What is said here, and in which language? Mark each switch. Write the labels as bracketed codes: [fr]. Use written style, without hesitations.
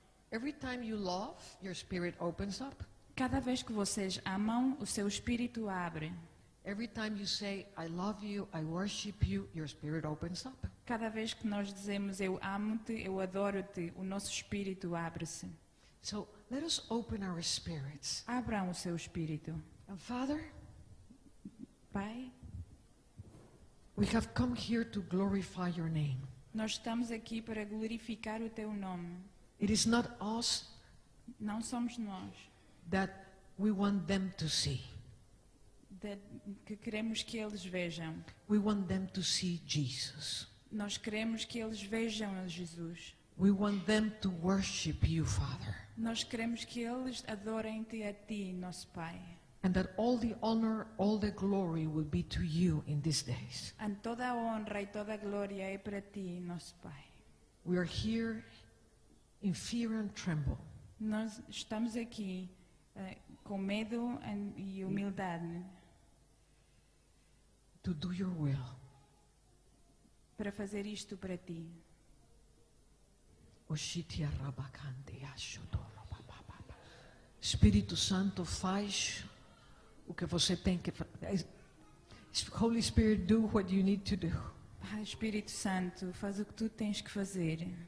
[en] Every time you love, your spirit opens up. [pt] Cada vez que vocês amam, o seu espírito abre. [en] Every time you say I love you, I worship you, your spirit opens up. [pt] Cada vez que nós dizemos eu amo-te, eu adoro-te, o nosso espírito abre-se. [en] So, let us open our spirits. [pt] Abram o seu espírito. [en] And Father, [pt] Pai, [en] we have come here to glorify your name. [pt] Nós estamos aqui para glorificar o teu nome. [en] It is not us. [pt] Não somos nós. [en] That we want them to see. [pt] Que queremos que eles vejam. [en] We want them to see Jesus. [pt] Nós queremos que eles vejam Jesus. [en] We want them to worship you, Father. [pt] Nós queremos que eles adorem-te a ti, nosso Pai. [en] And that all the honor, all the glory will be to you in these days. [pt] And toda a honra e toda a glória é para ti, nosso Pai. [en] We are here in fear and tremble. [pt] Nós estamos aqui com medo e humildade. [en] To do your will. [pt] Para fazer isto para ti. Oshitia rabakande ashotoro papapa. Espírito Santo, faz o que você tem que fazer. [en] Holy Spirit, do what you need to do. [pt] Espírito Santo, faz o que tu tens que fazer.